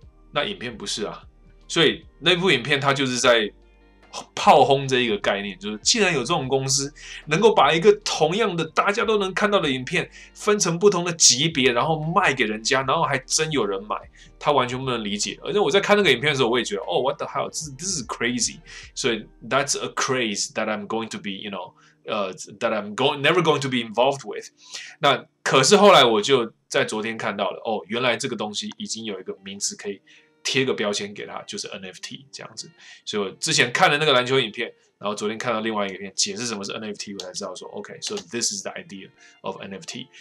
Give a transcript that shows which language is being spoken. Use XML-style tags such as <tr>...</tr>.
<zh>那影片不是啊，所以那部影片它就是在炮轰这一个概念，就是既然有这种公司能够把一个同样的大家都能看到的影片分成不同的级别，然后卖给人家，然后还真有人买，他完全不能理解。而且我在看那个影片的时候，我也觉得，哦 ，</zh> <en>what the hell，this is crazy。所以 that's a craze that I'm going to be，you know。 That I'm never going to be involved with。</en> <zh>那可是后来我就在昨天看到了，哦，原来这个东西已经有一个名词可以贴个标签给它，就是 NFT 这样子。所以我之前看了那个篮球影片，然后昨天看到另外一个影片解释什么是 NFT， 我才知道说 OK，</zh> <en>so this is the idea of NFT。</en>